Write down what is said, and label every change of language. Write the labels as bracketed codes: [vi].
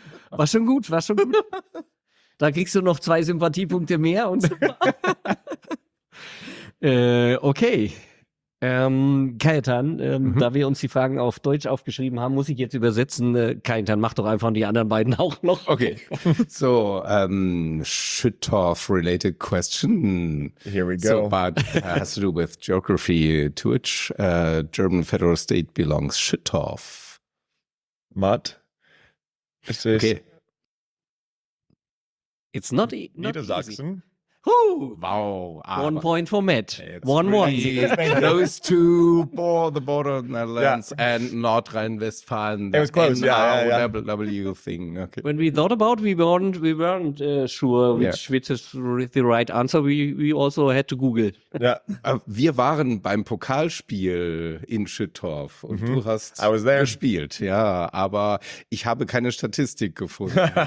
[de] War schon gut. Da kriegst du noch 2 Sympathiepunkte mehr und super. okay. Kaitan, da wir uns die Fragen auf Deutsch aufgeschrieben haben, muss ich jetzt übersetzen. Kaitan, mach doch einfach die anderen beiden auch noch. Okay. [en] So, Schüttorf related question. Here we go. So, but has to do with geography. To which German federal state belongs Schüttorf? Matt? Okay. It's not Niedersachsen. Easy. Wow. One point for Matt. One. Close to the border of Netherlands and Nordrhein-Westfalen. It was close. W thing. Okay. When we thought about, we weren't sure which is the right answer. We also had to Google. Yeah. [de] Wir waren beim Pokalspiel in Schüttorf und du hast gespielt. Ja, aber ich habe keine Statistik gefunden.